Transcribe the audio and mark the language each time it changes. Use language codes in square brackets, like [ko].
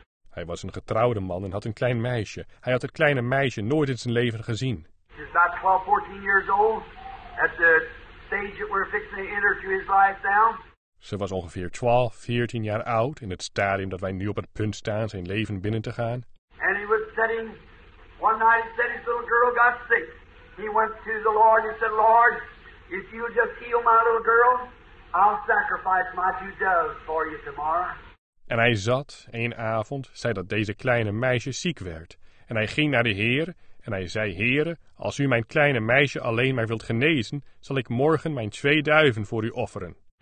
[nl] Hij was een getrouwde man en had een klein meisje. Hij had het kleine meisje nooit in zijn leven gezien. Hij was 12, 14 jaar oud. [en] At the stage that we're fixing to enter to his life now. [nl] Ze was ongeveer 12, 14 jaar oud in het stadium dat wij nu op het punt staan zijn leven binnen te gaan. [en] And he was sitting, one night he said his little girl got sick. He went to the Lord and said, Lord, if you just heal my little girl, I'll sacrifice my two doves for you tomorrow. [nl] En hij zat, een avond, zei dat deze kleine meisje ziek werd. En hij ging naar de Heer en hij zei, Heere, als u mijn kleine meisje alleen maar wilt genezen, zal ik morgen mijn 2 duiven voor u offeren.